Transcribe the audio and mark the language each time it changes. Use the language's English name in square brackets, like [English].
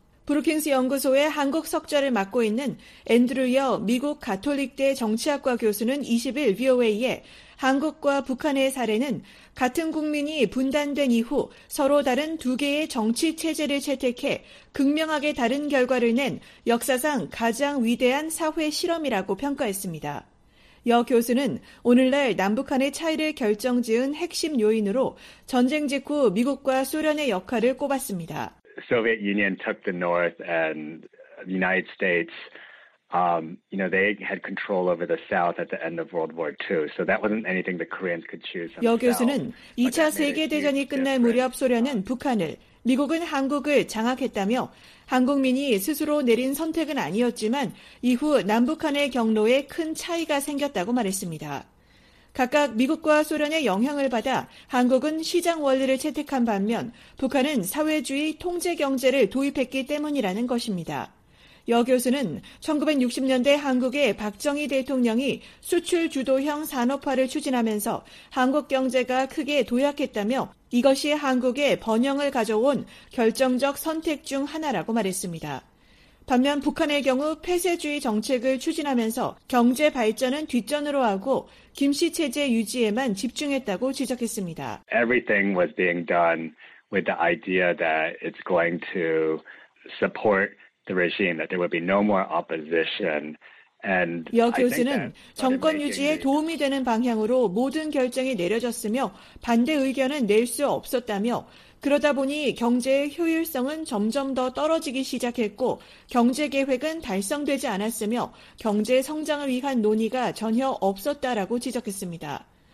[Korean] 브루킹스 연구소의 한국 석좌를 맡고 있는 앤드류 여 미국 가톨릭대 정치학과 교수는 20일 VOA에 한국과 북한의 사례는 같은 국민이 분단된 이후 서로 다른 두 개의 정치 체제를 채택해 극명하게 다른 결과를 낸 역사상 가장 위대한 사회 실험이라고 평가했습니다. 여 교수는 오늘날 남북한의 차이를 결정지은 핵심 요인으로 전쟁 직후 미국과 소련의 역할을 꼽았습니다. [English] Soviet Union took the North and the United States You know, they had control over the south at the end of World War II. So that wasn't anything the Koreans could choose. [Korean] 여 교수는 2차 세계 대전이 끝날 무렵 소련은 북한을 미국은 한국을 장악했다며 한국민이 스스로 내린 선택은 아니었지만 이후 남북한의 경로에 큰 차이가 생겼다고 말했습니다. 각각 미국과 소련의 영향을 받아 한국은 시장 원리를 채택한 반면 북한은 사회주의 통제 경제를 도입했기 때문이라는 것입니다. 여 교수는 1960년대 한국의 박정희 대통령이 수출 주도형 산업화를 추진하면서 한국 경제가 크게 도약했다며 이것이 한국의 번영을 가져온 결정적 선택 중 하나라고 말했습니다. 반면 북한의 경우 폐쇄주의 정책을 추진하면서 경제 발전은 뒷전으로 하고 김씨 체제 유지에만 집중했다고 지적했습니다. [English] Everything was being done with the idea that it's going to support the regime, that there would be no more opposition. [Korean] 여 교수는 정권 유지에 도움이 되는 방향으로 모든 결정이 내려졌으며 반대 의견은 낼 수 없었다며 그러다 보니 경제의 효율성은 점점 더 떨어지기 시작했고 경제 계획은 달성되지 않았으며 경제 성장을 위한 논의가 전혀 없었다라고 지적했습니다.